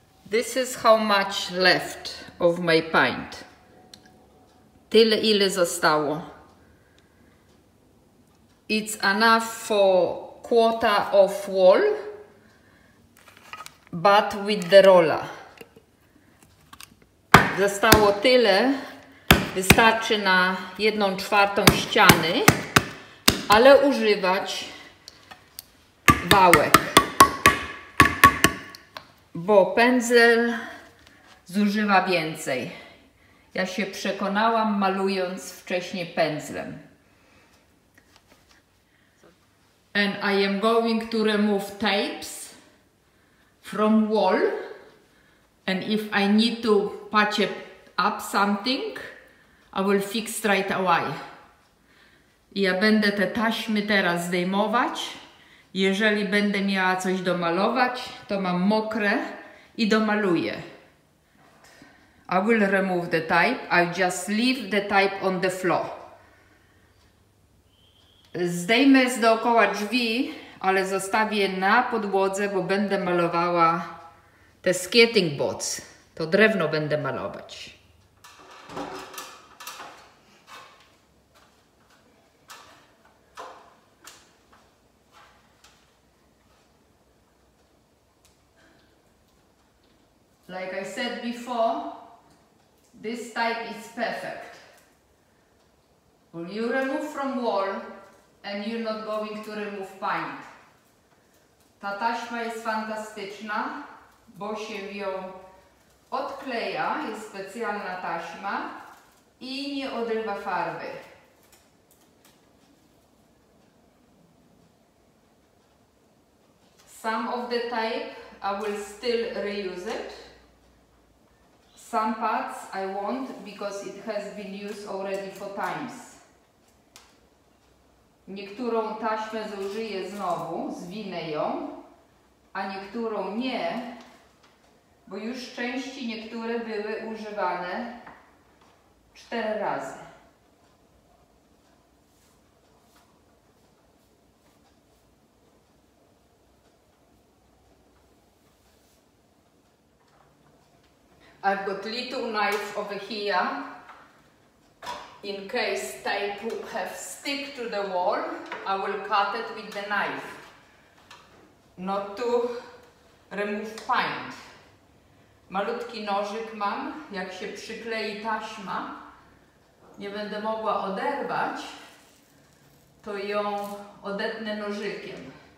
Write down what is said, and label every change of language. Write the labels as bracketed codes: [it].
[en] This is how much left of my pint. [pl] Tyle, ile zostało. [en] It's enough for quarter of wall, but with the roller. [pl] Zostało tyle, wystarczy na 1/4 ściany, ale używać wałek. Bo pędzel zużywa więcej. Ja się przekonałam, malując wcześniej pędzlem. [en] And I am going to remove tapes from wall. And if I need to patch up something, I will fix right away. [pl] Ja będę te taśmy teraz zdejmować. Jeżeli będę miała coś domalować, to mam mokre i domaluję. [en] I will remove the type. I'll just leave the type on the floor. [pl] Zdejmę z dookoła drzwi, ale zostawię na podłodze, bo będę malowała te skating boards. To drewno będę malować. [en] Like I said before, this type is perfect. Well, you remove from wall and you're not going to remove paint. [pl] Ta taśma jest fantastyczna, bo się ją odkleja, jest specjalna taśma i nie odrywa farby. [en] Some of the type I will still reuse it. Some parts I won't, because it has been used already 4 times. [pl] Niektórą taśmę zużyję znowu, zwinę ją, a niektórą nie, bo już części niektóre były używane 4 razy. [en] I've got little knife over here. in case tape have stick to the wall, I will cut it with the knife, not to remove paint. [pl] Malutki nożyk mam, jak się przyklei taśma, nie będę mogła oderwać, to ją odetnę nożykiem.